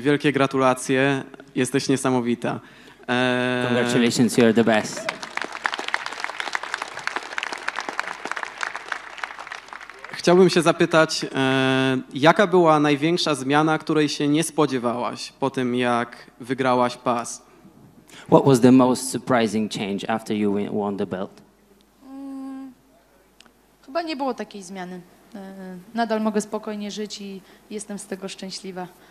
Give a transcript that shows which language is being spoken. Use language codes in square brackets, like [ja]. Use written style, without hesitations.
[pl] Wielkie gratulacje. Jesteś niesamowita. [en] Congratulations, you're the best. [pl] Chciałbym się zapytać, jaka była największa zmiana, której się nie spodziewałaś po tym, jak wygrałaś pas? [en] What was the most surprising change after you won the belt? [pl] Chyba nie było takiej zmiany. Nadal mogę spokojnie żyć i jestem z tego szczęśliwa.